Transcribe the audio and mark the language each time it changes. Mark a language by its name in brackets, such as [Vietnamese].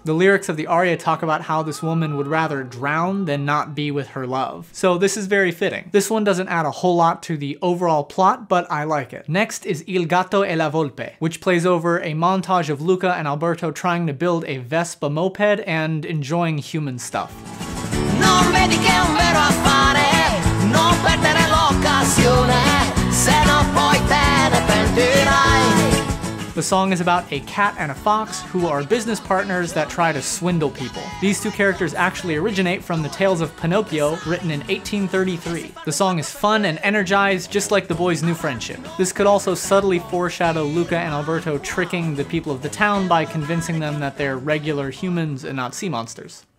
[English] The lyrics of the aria talk about how this woman would rather drown than not be with her love. So this is very fitting. This one doesn't add a whole lot to the overall plot, but I like it. Next is Il Gatto e la Volpe, which plays over a montage of Luca and Alberto trying to build a Vespa moped and enjoying human stuff. [Italian] Non vedi che è un vero affare, non perdere l'occasione, se no poi te ne pentirai. [English] The song is about a cat and a fox who are business partners that try to swindle people. These two characters actually originate from the Tales of Pinocchio, written in 1833. The song is fun and energized, just like the boys' new friendship. This could also subtly foreshadow Luca and Alberto tricking the people of the town by convincing them that they're regular humans and not sea monsters.